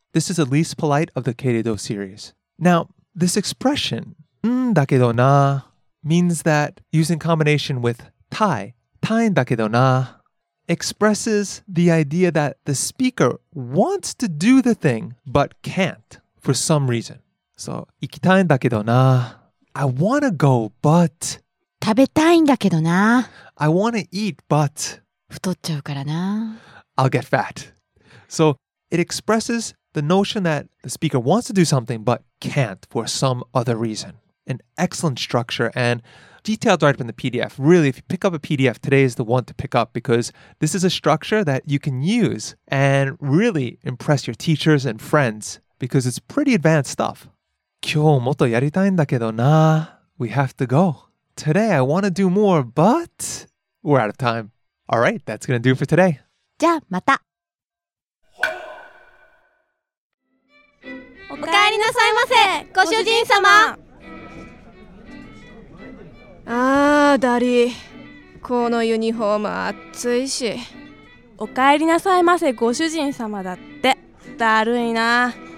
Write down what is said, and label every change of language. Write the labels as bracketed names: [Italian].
[English] This is the least polite of the けれど series. Now, this expression, んだけどな, means that using combination with たい, たいんだけどな,expresses the idea that the speaker wants to do the thing but can't for some reason. [Japanese] So, 行きたいんだけどな。 [English] I want to go, but... [Japanese] 食べたいんだけどな。 [English] I want to eat, but... [Japanese] 太っちゃうからな。 [English] I'll get fat. So, it expresses the notion that the speaker wants to do something but can't for some other reason. An excellent structure and... detailed write-up in the PDF. Really, if you pick up a PDF, today is the one to pick up because this is a structure that you can use and really impress your teachers and friends because it's pretty advanced stuff. [Japanese] 今日もっとやりたいんだけどな。 [English] We have to go. today I want to do more, but we're out of time. All right, that's going to do for today. [Japanese] じゃあまた。おかえりなさいませ、ご主人様。ああ、ダリー。このユニフォーム暑いし。おかえりなさいませ、ご主人様だって。だるいな。